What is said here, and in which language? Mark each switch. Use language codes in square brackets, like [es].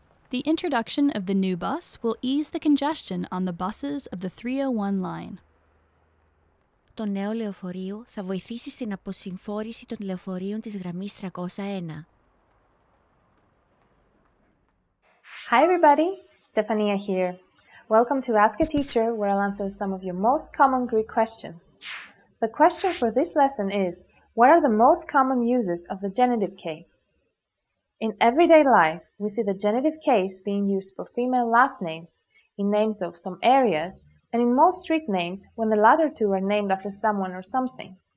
[en] The introduction of the new bus will ease the congestion on the buses of the 301 line. [el] Το νέο λεωφορείο θα βοηθήσει στην αποσυμφόρηση των λεωφορείων της γραμμής 301. [en] Hi everybody, Stefania here. Welcome to Ask a Teacher, where I'll answer some of your most common Greek questions. The question for this lesson is, what are the most common uses of the genitive case? In everyday life, we see the genitive case being used for female last names, in names of some areas, and in most street names when the latter two are named after someone or something.